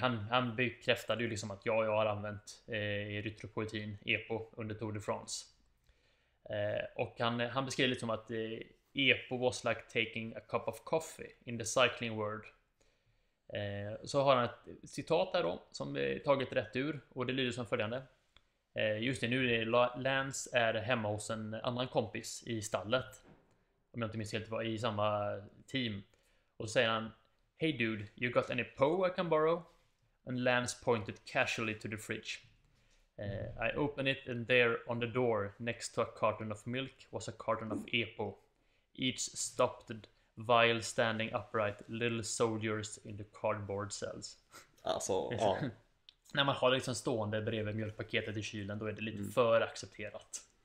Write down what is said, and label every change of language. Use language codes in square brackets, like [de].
[sv] Han bekräftade ju liksom att jag har använt erytropoetin, EPO, under Tour de France. Och han beskrev lite som att [en] EPO was like taking a cup of coffee in the cycling world. [sv] Så har han ett citat där då som tagit rätt ur och det lyder som följande. Just det, nu är Lance är hemma hos en annan kompis i stallet, om jag inte minns helt, var i samma team. Och så säger han: [en] "Hey dude, you got any PO I can borrow?" And Lance pointed casually to the fridge. I opened it and there on the door next to a carton of milk was a carton of EPO. Each stopped while standing upright, little soldiers in the cardboard cells. [sv] Alltså, när man har liksom stående bredvid mjölkpaketet i kylen, då är det lite för accepterat.